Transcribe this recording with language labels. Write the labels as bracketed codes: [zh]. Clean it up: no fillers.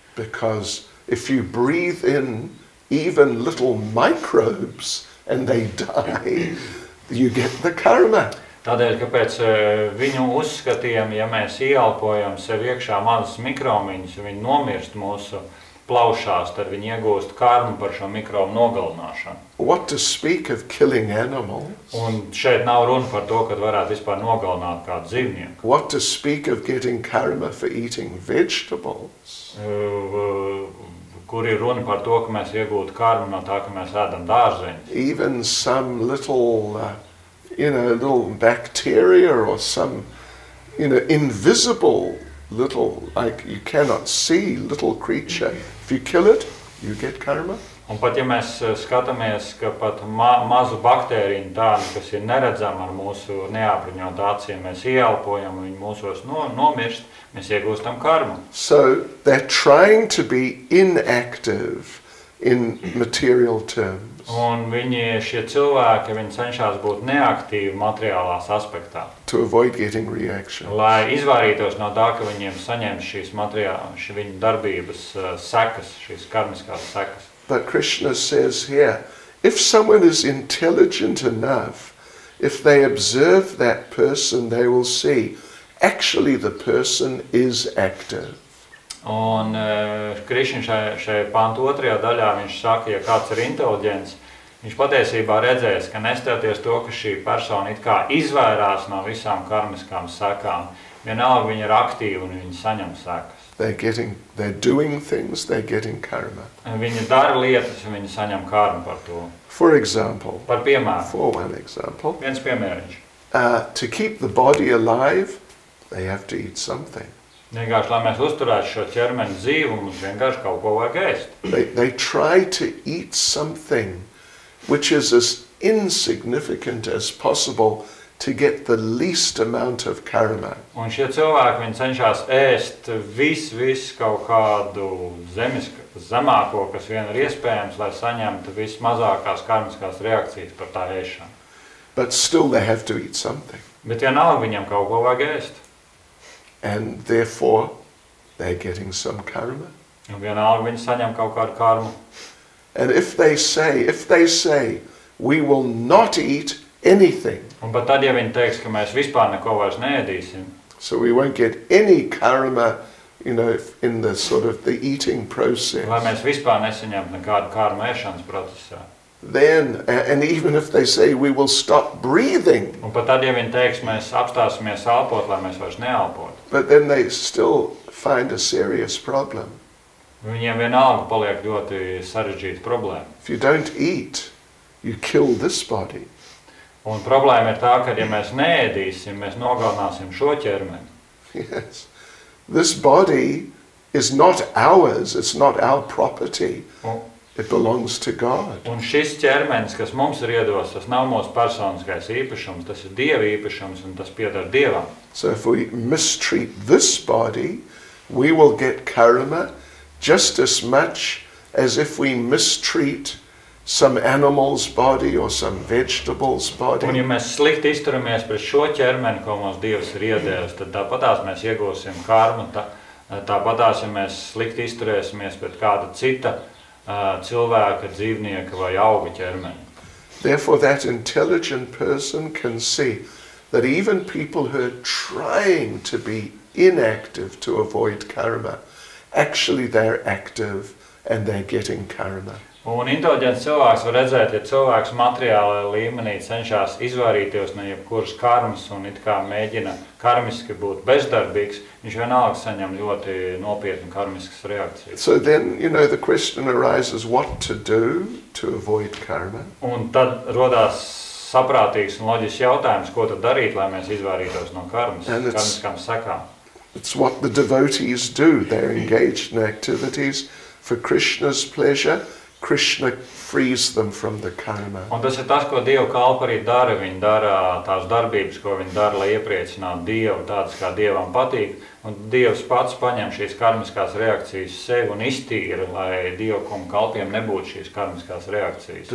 [en] Because if you breathe in even little microbes and they die, you get the karma. [lv] Tādēļ, kāpēc viņu uzskatījam, ja mēs ieelpojam sev iekšā mazas mikromiņas, un viņi nomirst mūsu plaušās, tad viņi iegūst karmu par šo mikrobu nogalināšanu. [en] What to speak of killing animals? [lv] Un šeit nav runa par to, kad varētu vispār nogalināt kādu dzīvnieku. [en] What to speak of getting karma for eating vegetables? [lv] Kur ir runa par to, ka mēs iegūtu karmu no tā, ka mēs ēdam dārzeņus. [en] Even some little, you know, little bacteria or some, you know, invisible little, like you cannot see little creature. If you kill it, you get karma. [lv] Un pat ja mēs skatāmies, ka pat mazu baktēriju tādu, kas ir neredzama ar mūsu neapriņotu acīm, mēs ieelpojam, viņi mūsos nomirst, mēs iegūstam karmu. [en] So they're trying to be inactive in material terms. [lv] Un viņi šie cilvēki, viņi cenšas būt neaktīvi materiālās aspektā. [en] To avoid getting reactions. [lv] Lai izvairītos no tā, ka viņiem saņems šīs materiālās, viņu darbības sekas, šīs karmiskās sekas. [en] But Krishna says here, if someone is intelligent enough, if they observe that person, they will see, actually the person is active. [lv] Un Krišņa šajā panta otrajā daļā, viņš saka, ja kāds ir inteliģents, viņš patiesībā redzēs, ka nestāties to, ka šī persona it kā izvairās no visām karmiskām sekām, vienalga viņa ir aktīva un viņa saņem sekas. [en] They're doing things, they're getting karma. [lv] Viņa dara lietas un viņa saņem karmu par to. [en] For example. [lv] Par piemēru. [en] For one example. [lv] Viens piemēriņš. [en] To keep the body alive, they have to eat something. [lv] Vienkārši, lai mēs uzturētu šo ķermeni dzīvu, mums vienkārši kaut ko vajag ēst. [en] They try to eat something which is as insignificant as possible to get the least amount of karma. [lv] Un šie cilvēki, viņi cenšas ēst vis kaut kādu zemāko, kas vien ir iespējams, lai saņemtu vismazākās karmiskās reakcijas par tā ēšanu. [en] But still they have to eat something. [lv] Bet vienalga viņam kaut ko vajag ēst. [en] And therefore they're getting some karma. [lv] Un vienalga viņi saņem kaut kādu karmu. [en] And if they say we will not eat anything. [lv] Un pat tad, ja viņi teiks, ka mēs vispār neko vairs neēdīsim. [en] So we won't get any karma, you know, in the sort of the eating process. [lv] Lai mēs vispār nesaņemtu nekādu karmu ēšanas procesā. [en] Then and even if they say we will stop breathing. [lv] Un pat tad, ja viņi teiks, mēs apstāsimies elpot, lai mēs vairs neelpotu. [en] But then they still find a serious problem. [lv] Viņiem vienalga paliek ļoti sarežģīta problēma. [en] If you don't eat, you kill this body. [lv] Un problēma ir tā, ka ja mēs neēdīsim, mēs nogalināsim šo ķermeni. [en] Yes. This body is not ours, it's not our property. It belongs to God. [lv] Un šis ķermenis, kas mums ir iedos, tas nav mūsu personiskais īpašums, tas ir Dieva īpašums un tas pieder Dievam. [en] So if we mistreat this body, we will get karma just as much as if we mistreat some animal's body or some vegetable's body. [lv] Un ja mēs slikti izturamies pret šo ķermeni, ko mums Dievs ir iedevis, tad tāpatās mēs iegūsim karmu, tāpatās, ja mēs slikti izturēsimies pret kāda cita cilvēka, dzīvnieka vai auga ķermeni. [en] Therefore that intelligent person can see that even people who are trying to be inactive to avoid karma, actually they're active and they're getting karma. [lv] Un inteliģents cilvēks var redzēt, ja cilvēks materiālajā līmenī cenšas izvairīties no jebkuras karmas un it kā mēģina karmiski būt bezdarbīgs, viņš vienalga saņem ļoti nopietnu karmiskas reakcijas. [en] So then, you know, the question arises what to do to avoid karma. [lv] Un tad rodas saprātīgs un loģisks jautājums, ko tad darīt, lai mēs izvairītos no karmas, karmiskām sekām. [en] It's what the devotees do. They're engaged in activities for Krishna's pleasure. Krishna frees them from the karma. [lv] Un tas ir tas, ko Dieva kalpa arī dara, viņi dara tās darbības, ko viņi dara, lai iepriecinātu Dievu, tādas kā Dievam patīk, un Dievs pats paņem šīs karmiskās reakcijas sev un iztīra, lai Dievkuma kalpiem nebūtu šīs karmiskās reakcijas.